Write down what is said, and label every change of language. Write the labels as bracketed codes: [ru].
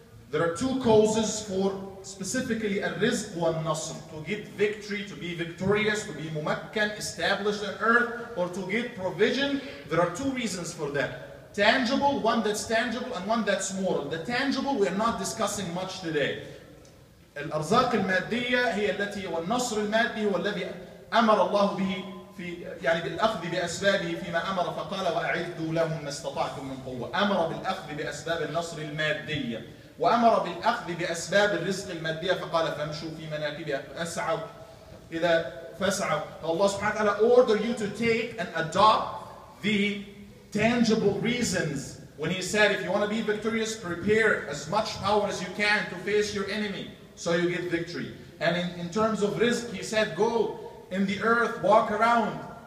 [en] There are two causes for specifically [ar] الرزق والنصر. [en] To get victory, to be victorious, to be ممكن, established on earth, or to get provision. There are two reasons for that. Tangible, one that's tangible, and one that's moral. The tangible, we are not discussing much today. [ar] الأرزاق المادية هي التي والنصر المادي هو الذي أمر الله به في يعني بالأخذ بأسبابه فيما أمر فقال وأعدوا لهم ما استطعتم من قوة. أمر بالأخذ بأسباب النصر المادية وأمر بالأخذ بأسباب الرزق المادية فقال فامشوا في مناكبها أسعوا إذا فاسعوا. فالله سبحانه وتعالى [en] order you to take and adopt the tangible reasons when he said if you want to be victorious prepare as much power as you can to face your enemy so you get victory. And in terms of rizq, he said, go in the earth, walk around.